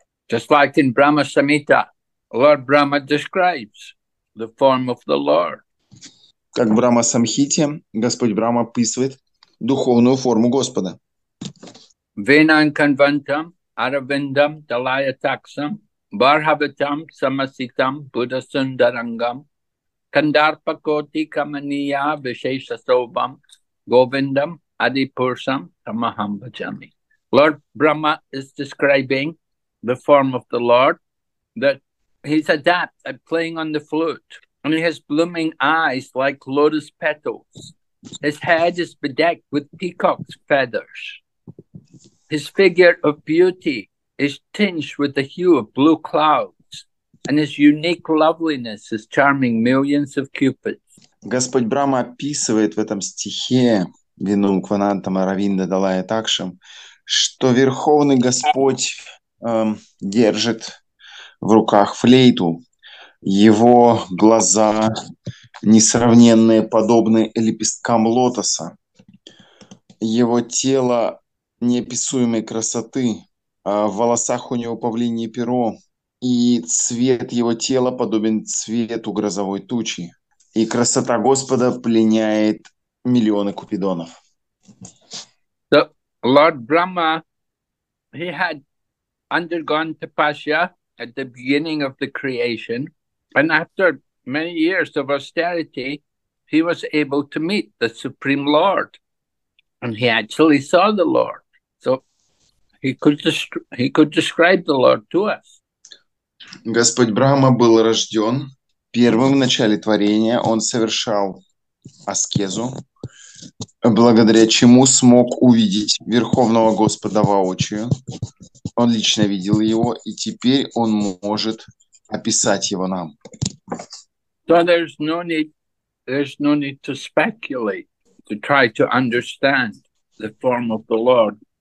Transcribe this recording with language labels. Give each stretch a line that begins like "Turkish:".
English: Just like in Brahma Samhita, Lord Brahma describes the form of the Lord.
Russian: Как в Брахма Самхите, Господь Брахма описывает духовную форму Господа.
Sanskrit: Vinayan Kanvantam, Aravindam, Dalayataksam, Barhavitam, Samasitam, Buddha Sundarangam, Kandarpakoti Kamaniya, Visheshasobam, Govindam, Adipursam, Tamaham Bhajami.
English: Lord Brahma is describing the form of the Lord, that he's adept at playing on the flute. And he has blooming eyes like lotus petals. His head is bedecked with peacock's feathers. His figure of beauty is tinged with the hue of blue clouds. And his unique loveliness is charming millions of cupids.
Russian: Господь Брама описывает в этом стихе
Sanskrit: Винум Кванантам Аравинда Далая Такшам,
Russian: что Верховный Господь держит в руках флейту. Его глаза несравненные, подобны лепесткам лотоса. Его тело неописуемой красоты. В волосах у него павлинье перо. И цвет его тела подобен цвету грозовой тучи. И красота Господа пленяет миллионы купидонов.
English: So, Lord Brahma, he had undergone tapasya at the beginning of the creation, and after many years of austerity, he was able to meet the Supreme Lord, and he actually saw the Lord. So he could describe the Lord to us.
Russian: Господь Брахма был рожден первым в начале творения. Он совершал аскезу, благодаря чему смог увидеть Верховного Господа воочию. Он лично видел его, и теперь он может описать его нам.
English: So there's no need to speculate, to try to understand the form of the Lord.